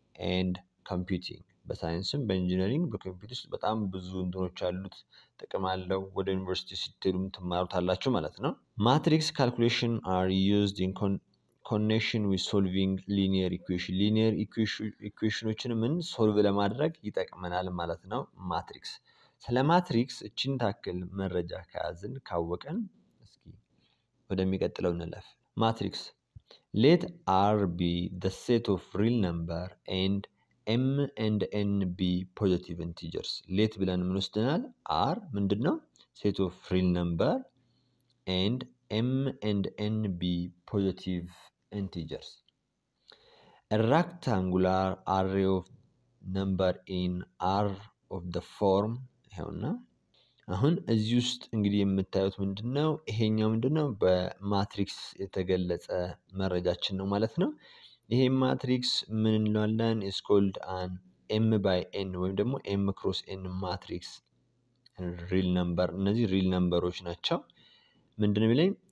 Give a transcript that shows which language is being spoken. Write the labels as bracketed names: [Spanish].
[Amharic] ኤንድ ኮምፒውቲንግ። በሳይንስም በኢንጂነሪንግ በኮምፒውተር ውስጥ በጣም ብዙ እንትኖች አሉት፣ ጥቅም አለው። ወደ ዩኒቨርሲቲ ስትሄዱም ትማሩታላችሁ ማለት ነው። [English] ማትሪክስ ካልኩሌሽን አር ዩዝድ ኢን ኮኔክሽን ዊዝ ሶልቪንግ ሊኒየር ኢኩዌሽን። [Amharic] ሊኒየር ኢኩዌሽኖችን ምን ሶልቭ ለማድረግ ይጠቅመናል ማለት ነው ማትሪክስ። ስለ ማትሪክስ እችን ታክል መረጃ ከያዝን ካወቀን፣ እስኪ ወደሚቀጥለው እንለፍ። [English] ማትሪክስ ሌት አር ቢ ዘ ሴት ኦፍ ሪል ነምበር ኤንድ m and n b positive integers. [Amharic] let ብለን ምን ወስደናል? r ምንድን ነው? [English] set of real number and m and n b positive integers. a rectangular array of number in r of the form ሆነ። [Amharic] አሁን እዚህ ውስጥ እንግዲህ የምታዩት ምንድን ነው? ይሄኛው ምንድን ነው? በማትሪክስ የተገለጸ መረጃችን ነው ማለት ነው። ይሄ ማትሪክስ ምን እንለዋለን? [English] ኢስ ኮልድ አን ኤም ባይ ኤን [Amharic] ወይም ደግሞ ኤም ክሮስ ኤን ማትሪክስ ሪል ነምበር። እነዚህ ሪል ነምበሮች ናቸው። ምንድን ነው የሚለኝ?